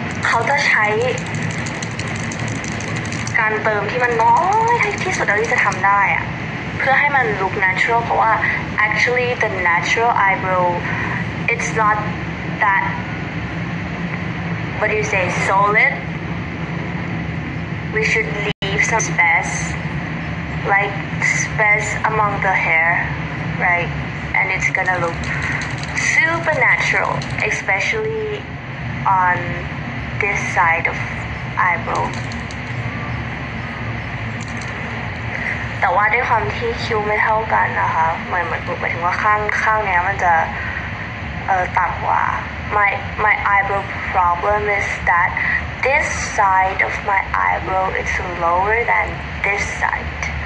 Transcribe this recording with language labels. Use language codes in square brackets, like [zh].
[th] ขาจะใช้การเติมที่มันน้อยที่สุดเท่าที่จะทำได้อะเพื่อให้มันลุค natural เพราะว่า [en] actually the natural eyebrow it's not that what do you say solidWe should leave some space, like space among the hair, right? And it's gonna look super natural, especially on this side of eyebrow. [th] But ว่าด้วยความที่คิ้วไม่เท่ากันนะคะเหมือนถึงว่าข้างเนี้ยมันจะต่ำกว่า [en] my eyebrow problem is that. This side of my eyebrow is lower than this side.